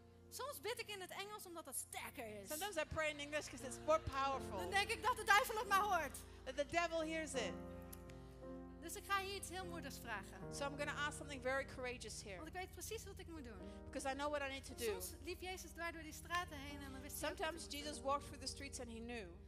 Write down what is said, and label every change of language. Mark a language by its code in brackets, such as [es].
[nl] Soms bid ik in het Engels omdat dat sterker is. [en] Sometimes I pray in English because it's more powerful. [nl] Dan denk ik dat de duivel het maar hoort. [en] That the devil hears it. [nl] Dus ik ga hier iets heel moedigs vragen. [en] So I'm going to ask something very courageous here. [nl] Want ik weet precies wat ik moet doen. [en] Because I know what I need to do. [nl] Soms liep Jezus door die straten heen en dan wist hij. [en] Sometimes Jesus walked through the streets and he knew.